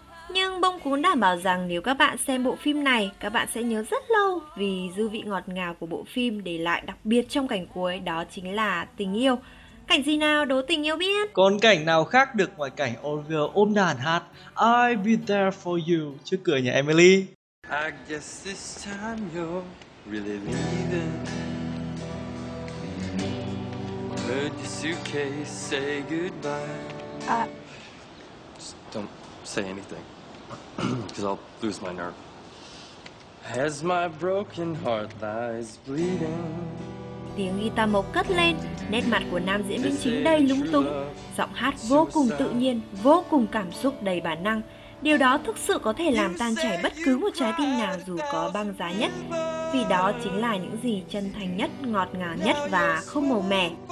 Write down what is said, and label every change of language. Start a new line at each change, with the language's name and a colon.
Vietnamese: Nhưng bông cuốn đảm bảo rằng nếu các bạn xem bộ phim này, các bạn sẽ nhớ rất lâu vì dư vị ngọt ngào của bộ phim để lại đặc biệt trong cảnh cuối, đó chính là tình yêu. Cảnh gì nào đố tình yêu biết? Còn cảnh nào khác được ngoài cảnh Oliver ôm đàn hát I'll be there for you trước cửa nhà Emily.
English: I guess this time you're really leaving. Heard your suitcase say goodbye. Just don't say anything, because I'll lose my nerve. As my broken heart lies bleeding.
Vietnamese: Tiếng guitar mộc cất lên, nét mặt của nam diễn viên chính đầy lúng túng, giọng hát vô cùng tự nhiên, vô cùng cảm xúc đầy bản năng. Điều đó thực sự có thể làm tan chảy bất cứ một trái tim nào dù có băng giá nhất, vì đó chính là những gì chân thành nhất, ngọt ngào nhất và không màu mè.